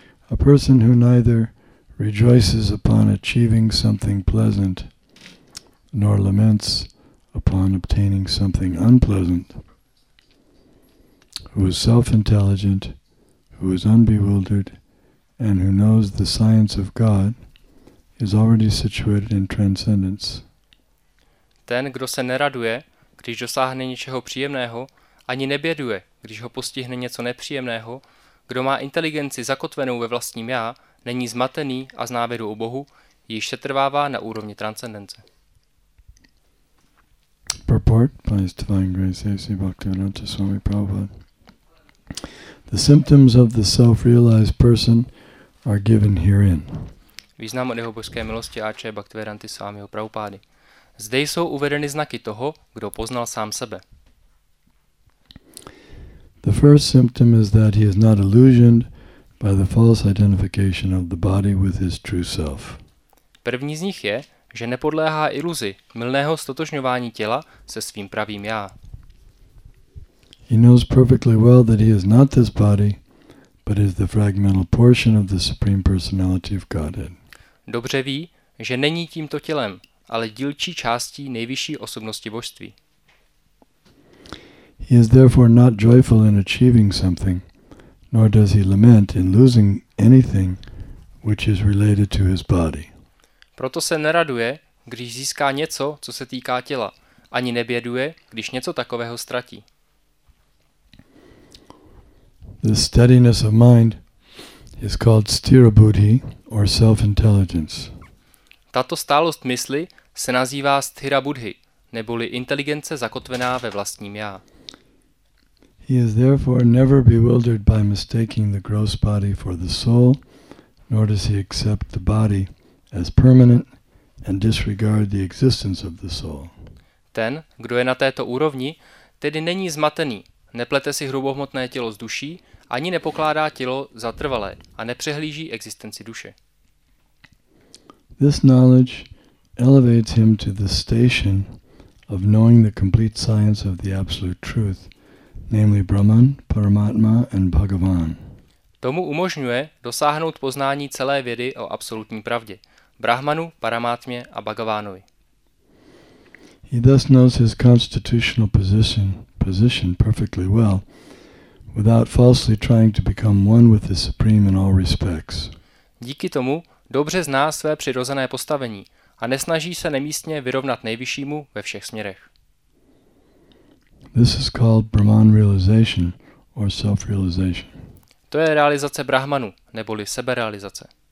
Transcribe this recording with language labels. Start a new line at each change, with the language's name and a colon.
English: A person who neither rejoices upon achieving something pleasant nor laments upon obtaining something unpleasant, who is self-intelligent, who is unbewildered, and who knows the science of God, is already situated in transcendence.
Czech: Ten, kdo se neraduje, když dosáhne něčeho příjemného, ani neběduje, když ho postihne něco nepříjemného, kdo má inteligenci zakotvenou ve vlastním já, není zmatený a zná vědu o Bohu, již se trvává na úrovni transcendence.
English: Purport by His Divine Grace A.C. Bhaktivinoda Swami Prabhupada. The symptoms of the self-realized person are given herein.
Czech: Význam od jeho božské milosti A.C. Bhaktivinoda Swami Prabhupada. Zde jsou uvedeny znaky toho, kdo poznal sám sebe.
English: The first symptom is that he is not illusioned by the false identification of the body with his true self.
Czech: První z nich je, že nepodléhá iluzi mylného ztotožňování těla se svým pravým já.
English: He knows perfectly well that he is not this body, but is the fragmental portion of the Supreme Personality of Godhead.
Czech: Dobře ví, že není tímto tělem, ale dílčí částí nejvyšší osobnosti božství.
English: He is therefore not joyful in achieving something, nor does he lament in losing anything which is related to his body.
Czech: Proto se neraduje, když získá něco, co se týká těla, ani neběduje, když něco takového ztratí.
English: The steadiness of mind is called sthirabuddhi or self-intelligence.
Czech: Tato stálost mysli se nazývá sthirabuddhi, neboli inteligence zakotvená ve vlastním já.
English: He is therefore never bewildered by mistaking the gross body for the soul, nor does he accept the body as permanent and disregard the existence of the soul.
Czech: Ten, kdo je na této úrovni, tedy není zmatený, neplete si hrubohmotné tělo z duší, ani nepokládá tělo za trvalé a nepřehlíží existenci duše.
English: This knowledge elevates him to the station of knowing the complete science of the absolute truth, namely Brahman, Paramatma and Bhagavan.
Czech: Tomu umožňuje dosáhnout poznání celé vědy o absolutní pravdě, Brahmanu, Paramatmě a Bhagavánovi.
English: He thus knows his constitutional position perfectly well, without falsely trying to become one with the Supreme in all respects.
Czech: Díky tomu dobře zná své přirozené postavení a nesnaží se nemístně vyrovnat nejvyššímu ve všech směrech.
English: This is called Brahman realization or self-realization.
Czech: To je realizace Brahmanu, neboli seberealizace.